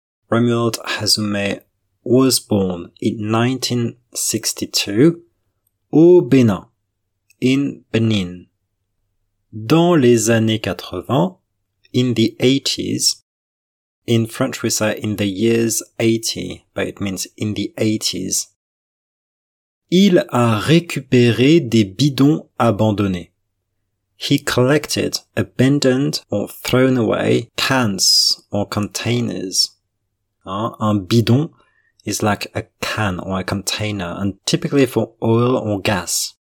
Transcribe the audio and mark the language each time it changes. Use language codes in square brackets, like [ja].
[en] Romuald Hazume was born in 1962 [fr] au Bénin, [en] in Benin. [fr] Dans les années 80, [en] in the 80s, in French we say in the years 80, but it means in the 80s. [fr] Il a récupéré des bidons abandonnés. [en] He collected abandoned or thrown away cans or containers. Hein? [fr] Un bidon [en] is like a can or a container, and typically for oil or gas.